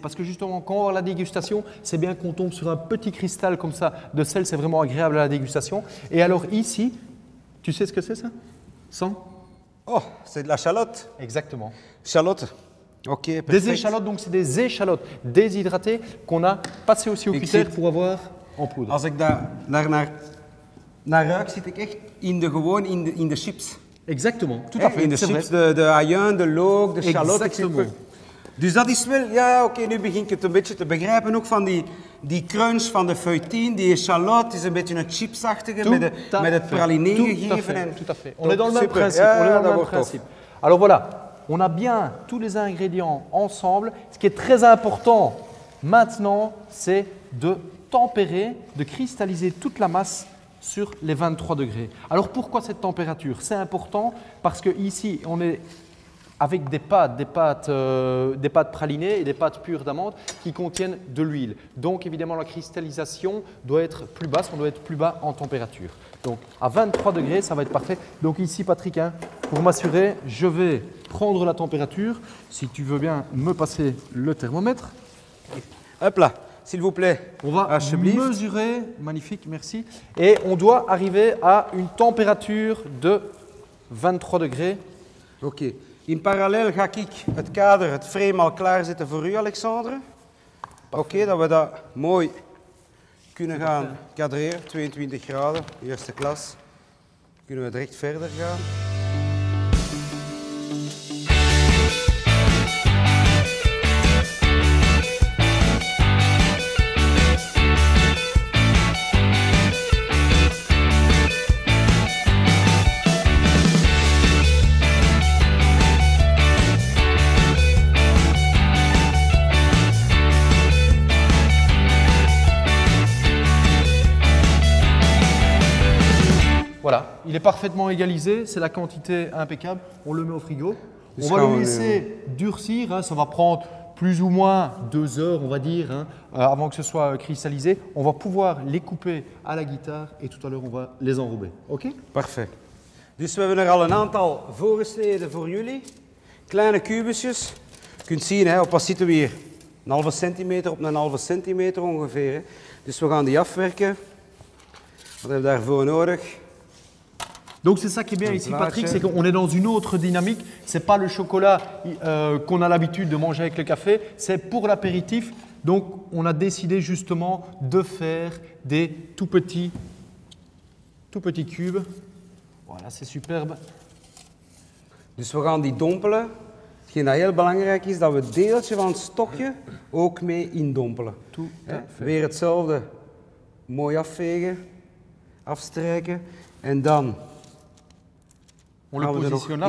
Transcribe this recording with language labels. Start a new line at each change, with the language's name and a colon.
French: Parce que justement, quand on a la dégustation, c'est bien qu'on tombe sur un petit cristal comme ça de sel. C'est vraiment agréable à la dégustation. Et alors ici, tu sais ce que c'est ça? Sans? Oh, c'est de la chalotte. Exactement.
Dutch: Chalotte. Ok, perfect.
French: Des échalotes, donc c'est des échalotes déshydratées qu'on a passées aussi au cutter pour avoir en poudre.
Dutch: Als ik daar naar ruik, zit ik echt in de chips.
French: Exactement, tout à fait.
Dutch: In de chips, de ajuin, de look, de chalotte.
French: Exactement.
Dutch: Dus dat is wel, ja oké, nu begin ik het een beetje te begrijpen ook van die crunch van de feuilletine, die échalote, is een beetje een chipsachtige met het praliné gegeven.
French: Tout à fait, on est dans le même principe. Alors voilà. On a bien tous les ingrédients ensemble. Ce qui est très important maintenant, c'est de tempérer, de cristalliser toute la masse sur les 23 degrés. Alors pourquoi cette température? C'est important parce que ici on est avec des pâtes pralinées et des pâtes pures d'amande qui contiennent de l'huile. Donc évidemment la cristallisation doit être plus basse, on doit être plus bas en température. Donc à 23 degrés ça va être parfait. Donc ici Patrick, hein, pour m'assurer, je vais prendre la température. Si tu veux bien me passer le thermomètre. Hop là, s'il vous plaît. On va mesurer, magnifique, merci. Et on doit arriver à une température de 23 degrés. Ok. In parallèle
Dutch: ga ik het kader, het frame al klaarzetten voor u, Alexandre. Oké, dat we dat mooi kunnen gaan kadreren. 22 graden, eerste klas. Kunnen we direct verder gaan.
French: Il est parfaitement égalisé, c'est la quantité impeccable. On le met au frigo. On va le laisser durcir, hein, ça va prendre plus ou moins 2 heures, on va dire, hein, avant que ce soit cristallisé. On va pouvoir les couper à la guitare et tout à l'heure, on va les enrober. Ok? Parfait.
Dutch: Dus we hebben er al een aantal voorgesneden voor jullie. Kleine kubusjes. Je kunt zien, hè, wat zitten we hier? Een halve centimeter op een halve centimeter ongeveer. Hè. Dus we gaan die afwerken. Wat hebben we daarvoor nodig?
French: Donc c'est ça qui est bien ici Patrick, c'est qu'on est dans une autre dynamique. C'est pas le chocolat qu'on a l'habitude de manger avec le café, c'est pour l'apéritif. Donc on a décidé justement de faire des tout petits cubes. Voilà, c'est superbe.
Dutch: Dus we gaan die dompelen. Hetgeen dat heel belangrijk is, dat we deeltje van het stokje ook mee indompelen.
French: Tout à fait.
Dutch: Weer hetzelfde. Mooi afvegen, afstrijken en dan...
French: On gaan le positionne